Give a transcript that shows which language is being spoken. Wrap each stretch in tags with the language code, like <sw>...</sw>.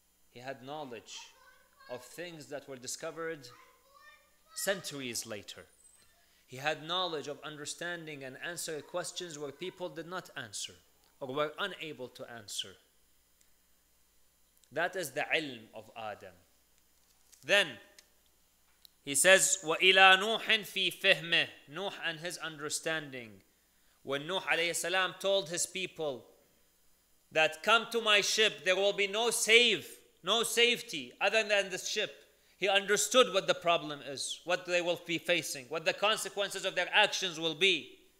<en>He had knowledge of things that were discovered centuries later. He had knowledge of understanding and answering questions where people did not answer or were unable to answer. That is the ilm of Adam. Then he says,</en> <ar>وَإِلَىٰ نُوحٍ فِي فِهْمِهِ.</ar> <en>Nuh and his understanding. When Nuh alayhi salam told his people that come to my ship, there will be no safety other than this ship. He understood what the problem is, what they will be facing, what the consequences of their actions will be.</en>